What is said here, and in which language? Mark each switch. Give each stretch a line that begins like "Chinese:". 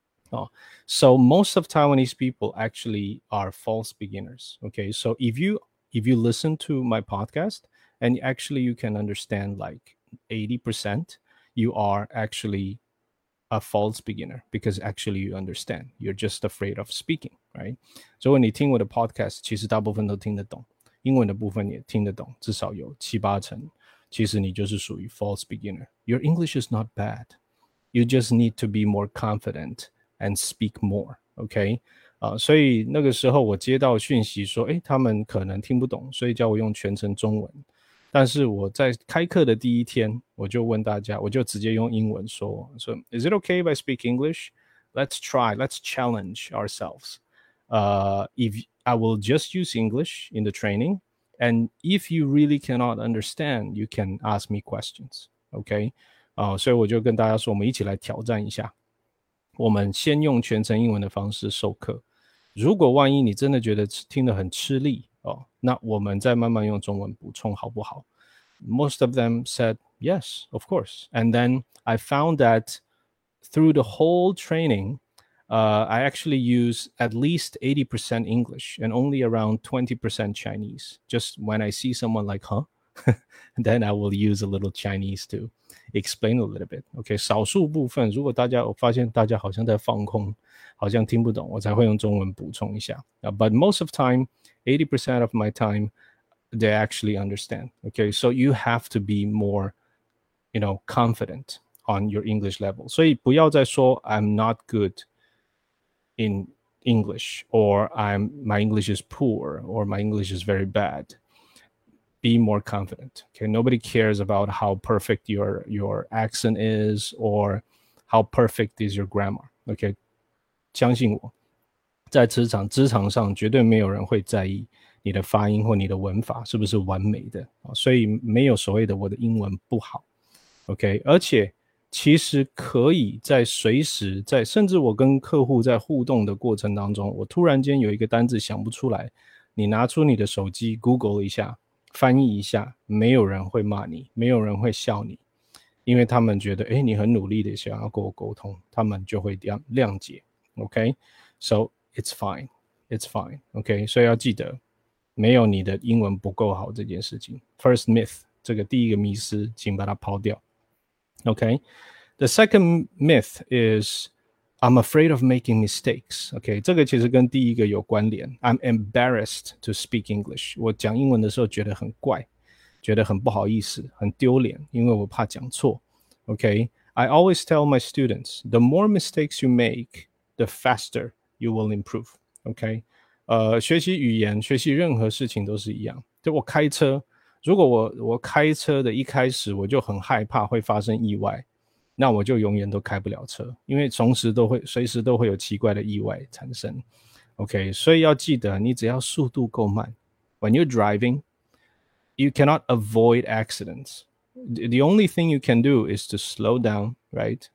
English: oh, So most of Taiwanese people actually are false beginners Okay, so if you listen to my podcast And actually you can understand like 80% You are actually a false beginner Because actually you understand You're just afraid of speaking, right?
Chinese: 所以你听我的 podcast 其实大部分都听得懂英文的部分也听得懂，至少有七八成。其实你就是属于 false beginner.
English: Your English is not bad. You just need to be more confident and speak more. Okay?
Chinese: 所以那个时候我接到讯息说，诶，他们可能听不懂，所以叫我用全程中文。但是我在开课的第一天，我就问大家，我就直接用英文说，说
English: Is it okay if I speak English? Let's try, let's challenge ourselves. If I will just use English in the training, and if you really cannot understand, you can ask me questions. Okay?
Chinese: 所以我就跟大家说，我们一起来挑战一下。我们先用全程英文的方式授课，如果万一你真的觉得听得很吃力、哦、那我们再慢慢用中文补充好不好？
English: Most of them said yes, of course. And then I found that through the whole training, I actually use at least 80% English and only around 20% Chinese. Just when I see someone like, huh? then I will use a little Chinese too. Explain a little bit, okay?
Chinese: 少数部分，如果大家我发现大家好像在放空，好像听不懂，我才会用中文补充一下。
English: But most of time, 80% of my time, they actually understand, okay? So you have to be more, you know, confident on your English level.
Chinese: 所以不要再说
English: I'm not good in English, or my English is poor, or my English is very bad. Be more confident. Okay, nobody cares about how perfect your accent is or how perfect is your grammar.
Chinese: Okay, 相信我，在职场上绝对没有人会在意你的发音或你的文法是不是完美的，所以没有所谓的我的英文不好。 Okay, 而且其实可以在随时在，甚至我跟客户在互动的过程当中，我突然间有一个单字想不出来，你拿出你的手机 Google 一下。翻译一下，没有人会骂你，没有人会笑你，因为他们觉得，诶，你很努力的想要跟我沟通，他们就会谅解。
English: Okay? So it's fine. It's fine. Okay?
Chinese: 所以要记得，没有你的英文不够好这件事情。 First myth, 这个第一个迷思，请把它抛掉。Okay?
English: The second myth is, I'm afraid of making mistakes.
Chinese: Okay, 这个其实跟第一个有关联。
English: I'm embarrassed to speak English.
Chinese: 我讲英文的时候觉得很怪，觉得很不好意思，很丢脸，因为我怕讲错。
English: Okay, I always tell my students, the more mistakes you make, the faster you will improve.
Chinese: Okay, 学习语言，学习任何事情都是一样。就我开车，如果我开车的一开始我就很害怕会发生意外。那我就永远都开不了车，因为随时都会有奇怪的意外产生。 OK, 所以要记得，你只要速度够慢。
English: When you're driving, you cannot avoid accidents. The only thing you can do is to slow down, right?